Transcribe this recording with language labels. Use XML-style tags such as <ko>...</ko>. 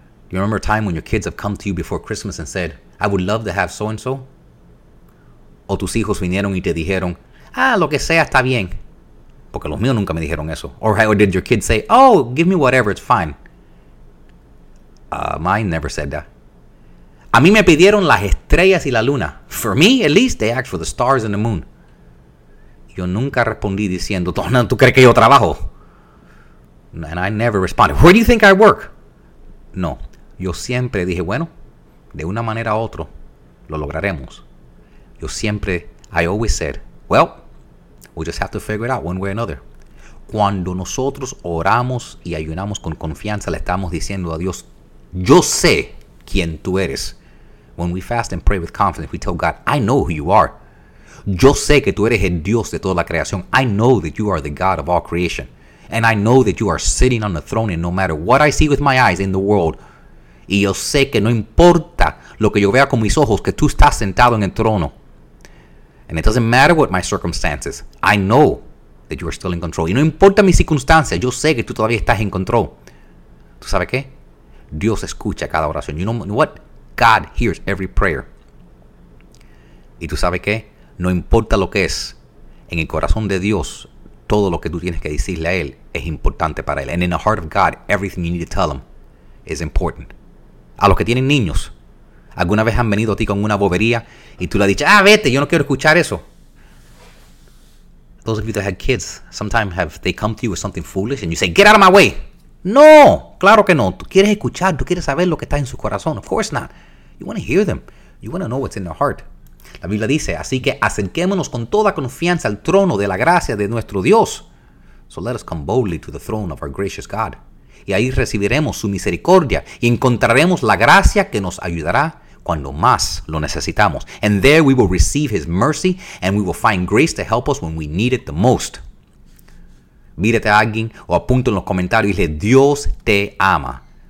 <en>You remember a time when your kids have come to you before Christmas and said, I would love to have so and so?</en> <es>O tus hijos vinieron y te dijeron, ah, lo que sea está bien. Porque los míos nunca me dijeron eso.</es> <en>Or did your kids say, oh, give me whatever, it's fine. Mine never said that.</en> <es>A mí me pidieron las estrellas y la luna.</es> <en>For me, at least, they asked for the stars and the moon.</en> <es>Yo nunca respondí diciendo, Donald, ¿tú crees que yo trabajo?</es> <en>And I never responded, where do you think I work?</en> <es>No, yo siempre dije, bueno, de una manera u otra, lo lograremos.</es> <en>I always said, well, we just have to figure it out one way or another.</en> <es>Cuando nosotros oramos y ayunamos con confianza, le estamos diciendo a Dios, yo sé quién tú eres.</es> <en>When we fast and pray with confidence, we tell God, I know who you are.</en> <es>Yo sé que tú eres el Dios de toda la creación.</es> <en>I know that you are the God of all creation. And I know that you are sitting on the throne, and no matter what I see with my eyes in the world,</en> <es>y yo sé que no importa lo que yo vea con mis ojos, que tú estás sentado en el trono.</es> <en>And it doesn't matter what my circumstances, I know that you are still in control.</en> <es>Y no importa mis circunstancias, yo sé que tú todavía estás en control. ¿Tú sabes qué? Dios escucha cada oración.</es> <en>You know what? God hears every prayer.</en> <es>¿Y tú sabes qué? No importa lo que es, en el corazón de Dios, todo lo que tú tienes que decirle a Él es importante para Él.</es> <en>And in the heart of God, everything you need to tell Him is important.</en> <es>A los que tienen niños, ¿alguna vez han venido a ti con una bobería y tú le has dicho, ah, vete, yo no quiero escuchar eso?</es> <en>Those of you that had kids, sometimes have they come to you with something foolish and you say, get out of my way.</en> <es>No, claro que no. Tú quieres escuchar, tú quieres saber lo que está en su corazón.</es> <en>Of course not. You want to hear them. You want to know what's in their heart.</en> <es>La Biblia dice, así que acerquémonos con toda confianza al trono de la gracia de nuestro Dios.</es> <en>So let us come boldly to the throne of our gracious God.</en> <es>Y ahí recibiremos su misericordia y encontraremos la gracia que nos ayudará cuando más lo necesitamos.</es> <en>And there we will receive his mercy and we will find grace to help us when we need it the most.</en> <es>Mírate a alguien o apunta en los comentarios y dile, Dios te ama.</es>